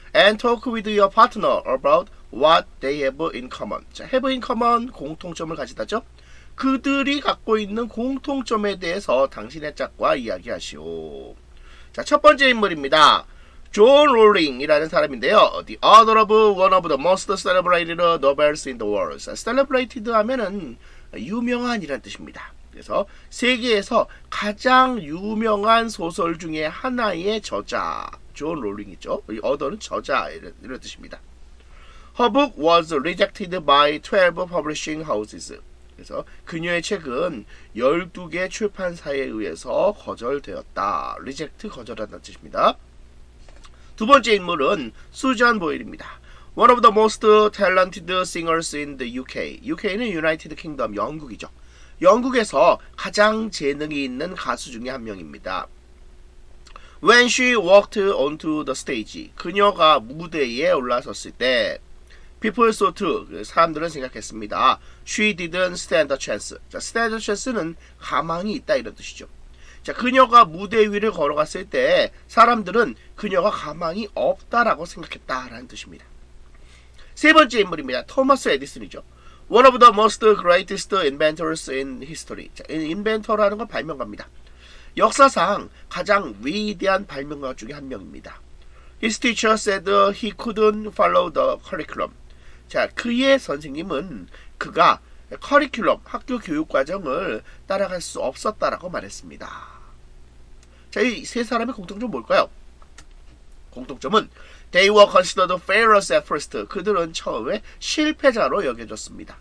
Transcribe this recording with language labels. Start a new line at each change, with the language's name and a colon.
English: And talk with your partner about What they have in common.
Korean: 자, have in common, 공통점을 가지다죠. 그들이 갖고 있는 공통점에 대해서 당신의 짝과 이야기하시오. 자, 첫 번째 인물입니다. 존 롤링이라는 사람인데요.
English: The author of one of the most celebrated novels in the world.
Korean: Celebrated 하면은 유명한이란 뜻입니다. 그래서 세계에서 가장 유명한 소설 중에 하나의 저자. 존 롤링이죠. 이 author는 저자 이런 뜻입니다.
English: Her book was rejected by 12 publishing houses.
Korean: 그래서 그녀의 책은 12개 출판사에 의해서 거절되었다. Reject, 거절한다는 뜻입니다. 두 번째 인물은 수잔 보일입니다.
English: One of the most talented singers in the UK.
Korean: UK는 United Kingdom, 영국이죠. 영국에서 가장 재능이 있는 가수 중에 한 명입니다.
English: When she walked onto the stage,
Korean: 그녀가 무대에 올라섰을 때
English: People thought,
Korean: 사람들은 생각했습니다.
English: She didn't stand a chance.
Korean: 자, stand a chance는 가망이 있다 이런 뜻이죠. 자, 그녀가 무대 위를 걸어갔을 때 사람들은 그녀가 가망이 없다라고 생각했다라는 뜻입니다. 세 번째 인물입니다. 토마스 에디슨이죠.
English: One of the most greatest inventors in history.
Korean: 자, inventor라는 건 발명가입니다. 역사상 가장 위대한 발명가 중에 한 명입니다.
English: His teacher said he couldn't follow the curriculum.
Korean: 자, 그의 선생님은 그가 커리큘럼, 학교 교육 과정을 따라갈 수 없었다라고 말했습니다. 자, 이 세 사람의 공통점 뭘까요? 공통점은
English: they were considered failures at first.
Korean: 그들은 처음에 실패자로 여겨졌습니다.